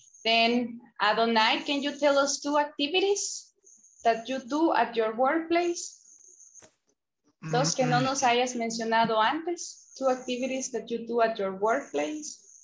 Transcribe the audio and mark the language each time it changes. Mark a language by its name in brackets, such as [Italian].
[English] Then Adonai, can you tell us two activities that you do at your workplace? [Spanish] Dos mm-hmm. que no nos hayas mencionado antes. [English] Two activities that you do at your workplace.